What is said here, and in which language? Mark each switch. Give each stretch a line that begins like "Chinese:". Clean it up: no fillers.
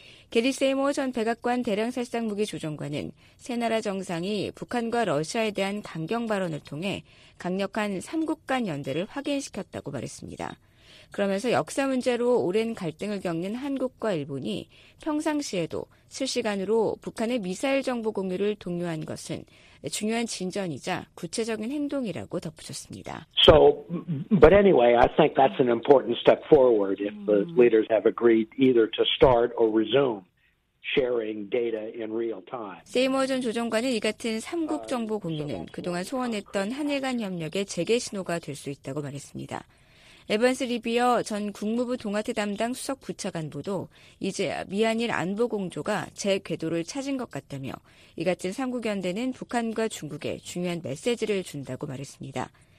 Korean: 게리 세이머 전 백악관 대량살상무기 조정관은 세 나라 정상이 북한과 러시아에 대한 강경 발언을 통해 강력한 3국 간 연대를 확인시켰다고 말했습니다. 그러면서 역사 문제로 오랜 갈등을 겪는 한국과 일본이 평상시에도 실시간으로 북한의 미사일 정보 공유를 독려한 것은 중요한 진전이자 구체적인 행동이라고 덧붙였습니다.
English: So, but anyway, I think that's an important step forward if the leaders have agreed either to start or resume sharing data in real time.
Korean: 세이머 전 조정관은 이 같은 3국 정보 공유는 그동안 소원했던 한일 간 협력의 재개 신호가 될 수 있다고 말했습니다. 에반스 리비어 전 국무부 동아태 담당 수석 부차관보도 이제야 미한일 안보 공조가 제 궤도를 찾은 것 같다며 이 같은 3국 연대는 북한과 중국에 중요한 메시지를 준다고 말했습니다.